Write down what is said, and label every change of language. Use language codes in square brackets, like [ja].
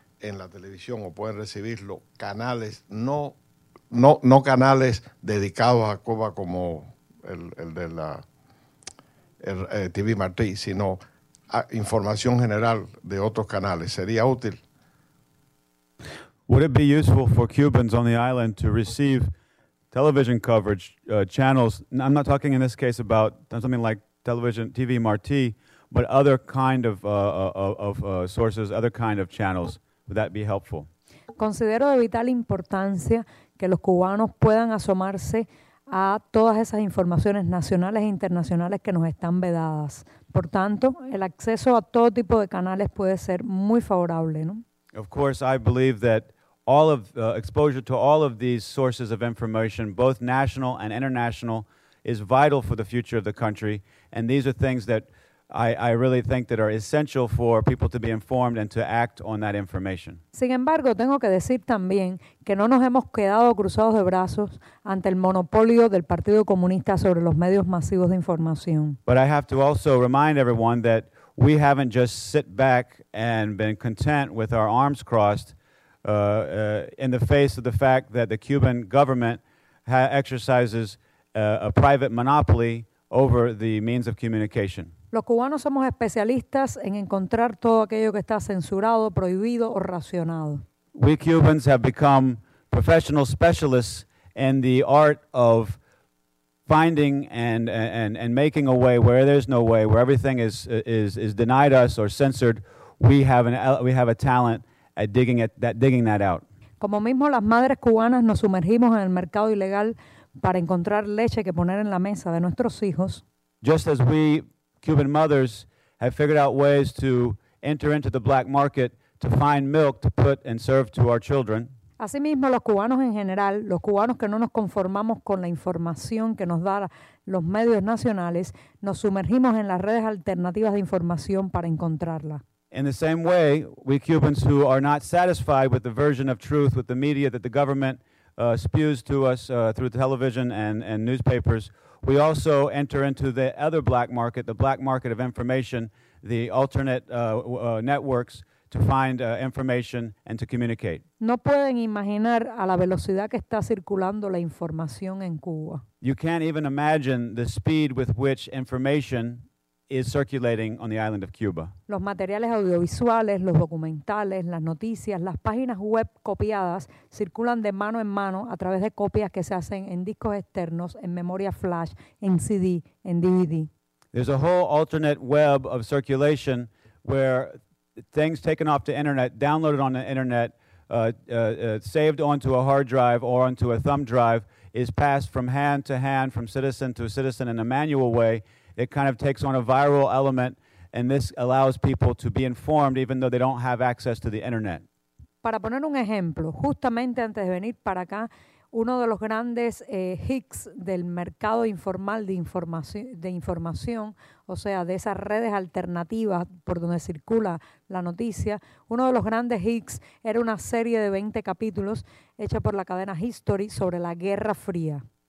[es] en la televisión o pueden recibirlo canales, no canales dedicados a Cuba como el de la el TV Martí, sino a información general de otros canales. ¿Sería útil? [en] Would it be useful for Cubans on the island to receive television coverage channels? I'm not talking in this case about something like television, TV Martí, but other kind of sources, other kind of channels. Would that be helpful? [es] Considero de vital importancia que los cubanos puedan asomarse a todas esas informaciones nacionales e internacionales que nos están vedadas. Por tanto, el acceso a todo tipo de canales puede ser muy favorable, ¿no? [en] Of course, I believe that all of exposure to all of these sources of information, both national and international, is vital for the future of the country. And these are things that I really think that are essential for people to be informed and to act on that information. [es] Sin embargo, tengo que decir también que no nos hemos quedado cruzados de brazos ante el monopolio del Partido Comunista sobre los medios masivos de información. [en] But I have to also remind everyone that we haven't just sit back and been content with our arms crossed in the face of the fact that the Cuban government exercises a private monopoly over the means of communication. [es] Los cubanos somos especialistas en encontrar todo aquello que está censurado, prohibido o racionado. [en] We Cubans have become professional specialists in the art of finding and making a way where there's no way, where everything is denied us or censored. We have a talent at digging that out. [es] Como mismo las madres cubanas nos sumergimos en el mercado ilegal para encontrar leche que poner en la mesa de nuestros hijos. [en] Just as we Cuban mothers have figured out ways to enter into the black market to find milk to put and serve to our children. [es] Asimismo, los cubanos en general, los cubanos que no nos conformamos con la información que nos dan los medios nacionales, nos sumergimos en las redes alternativas de información para encontrarla. [en] In the same way, we Cubans who are not satisfied with the version of truth with the media that the government spews to us through television and newspapers, we also enter into the other black market, the black market of information, the alternate networks to find information and to communicate. [es] No pueden imaginar a la velocidad que está circulando la información en Cuba. [en] You can't even imagine the speed with which information is circulating on the island of Cuba. [es] Los materiales audiovisuales, los documentales, las noticias, las páginas web copiadas circulan de mano en mano a través de copias que se hacen en discos externos, en memoria flash, en CD, en DVD. [en] There's a whole alternate web of circulation where things taken off the internet, downloaded on the internet, saved onto a hard drive or onto a thumb drive, is passed from hand to hand, from citizen to citizen in a manual way. It kind of takes on a viral element, and this allows people to be informed even though they don't have access to the internet. [es] Para poner un ejemplo, justamente antes de venir para acá, uno de los grandes hicks del mercado informal de información, o sea, de esas redes alternativas por donde circula la noticia, uno de los grandes hicks era una serie de 20 capítulos hecha por la cadena History sobre la Guerra Fría.